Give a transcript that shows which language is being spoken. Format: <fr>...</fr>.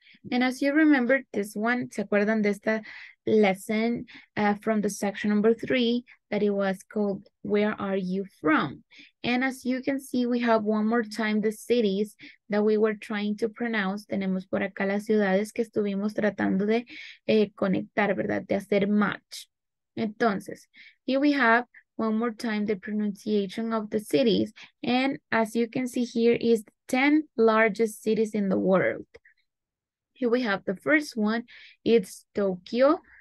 <en>And as you remember this one,</en> <es>¿se acuerdan de esta</es> <en>lesson from the section number 3 that it was called Where Are You From? And as you can see, we have one more time the cities that we were trying to pronounce.</en> <es>Tenemos por acá las ciudades que estuvimos tratando de conectar, ¿verdad? De hacer match. Entonces,</es> <en>here we have one more time the pronunciation of the cities. And as you can see here is the 10 largest cities in the world. Here we have the first one, it's Tokyo.</en>